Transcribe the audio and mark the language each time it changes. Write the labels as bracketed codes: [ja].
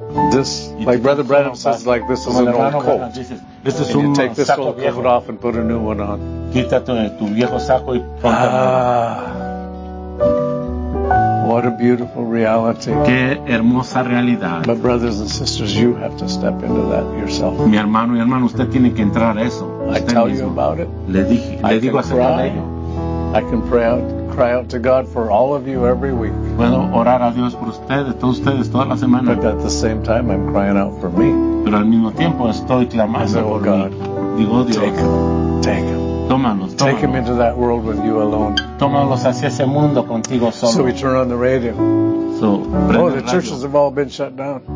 [en] This, like Brother Branham says, like this is an old coat. This is and you take this old coat off and put a new one on. What a beautiful reality. [es] Qué hermosa realidad. [en] But brothers and sisters, you have to step into that yourself. [es] Mi hermano y hermana, usted tiene que entrar a eso. [en] I tell you about it. [es] Le dije, le digo acerca de ello. [en] I can cry out to God for all of you every week. [es] Puedo orar a Dios por ustedes, todos ustedes, toda la semana. [en] But at the same time, I'm crying out for me. [es] Pero al mismo tiempo estoy clamando por [en] God, [es] mí. Digo, Dios, [en] take him. [es] Tómalos. [en] Take him into that world with you alone. [es] Tómalos hacia ese mundo contigo solo. [en] So we turn on the radio. So, oh, the churches have all been shut down.